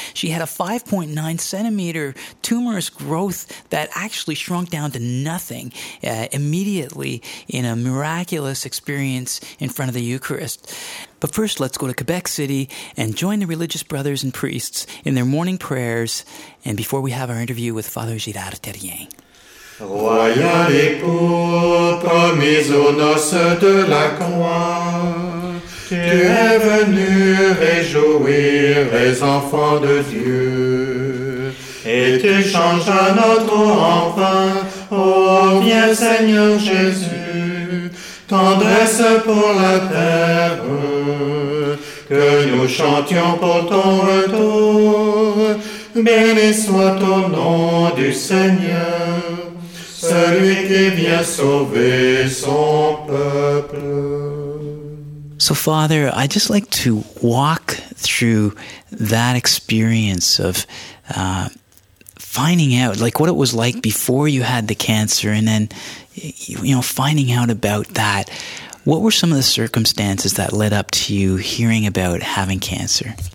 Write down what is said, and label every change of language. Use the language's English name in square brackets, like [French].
[English] She had a 5.9 centimeter tumorous growth that actually shrunk down to nothing immediately in a miraculous experience in front of the Eucharist. But first, let's go to Quebec City and join the religious brothers and priests in their morning prayers, and before we have our interview with Father Girard Terrien. [French] Royal et pourpre, mis aux noces de la croix, tu es venu réjouir les enfants de Dieu, et tu changes notre enfant, ô bien Seigneur Jésus, tendresse pour la terre. Que nous chantions pour ton retour, béni soit ton nom du Seigneur, celui qui vient sauver son peuple. [English] So, Father, I'd just like to walk through that experience of finding out, like, what it was like before you had the cancer, and then, you know, finding out about that. What were some of the circumstances that led up to you hearing about having cancer?